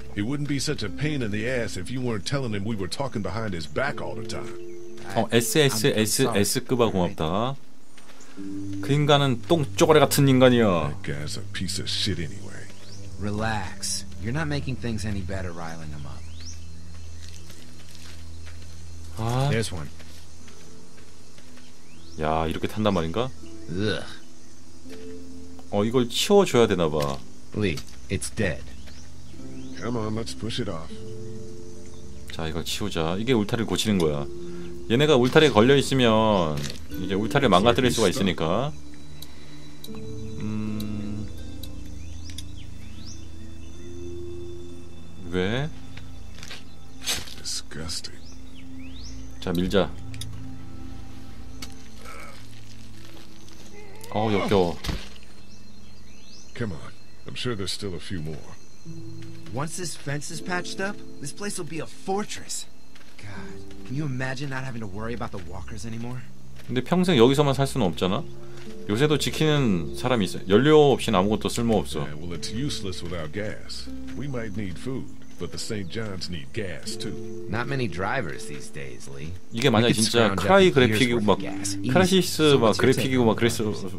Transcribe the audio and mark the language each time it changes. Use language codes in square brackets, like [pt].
[en] He wouldn't be such a pain in the ass if you weren't telling him we were talking behind his back all the time. [ko] SSSS급아 고맙다. 그 인간은 똥 쪼가리 같은 인간이야. [en] That guy's a piece of shit anyway. Relax. You're not making things any better riling him up. There's one. [ko] 야, 이렇게 탄단 말인가? 이걸 치워줘야 되나 봐. [en] Lee, it's dead. Come on, let's push it off. [ko] 자, 이걸 치우자. 이게 울타리를 고치는 거야. 얘네가 울타리에 걸려 있으면 이제 울타리를 망가뜨릴 수가 있으니까. 왜? [en] Disgusting. [ko] 자, 밀자. 어우, 역겨워. [en] Come on. I'm sure there's still a few more. Once this fence is patched up, this place will be a fortress. God, can you imagine not having to worry about the walkers anymore? [ko] 근데 평생 여기서만 살 수는 없잖아. 요새도 지키는 사람이 있어. 연료 없이는 아무것도 쓸모 없어. [en] Yeah, well, it's useless without gas. We might need food, but the St. John's need gas too. Not many drivers these days, Lee. [ko] 이게 만약 진짜 크라이 그래픽이고 막 크라시스 막 그래픽이고 막 그래서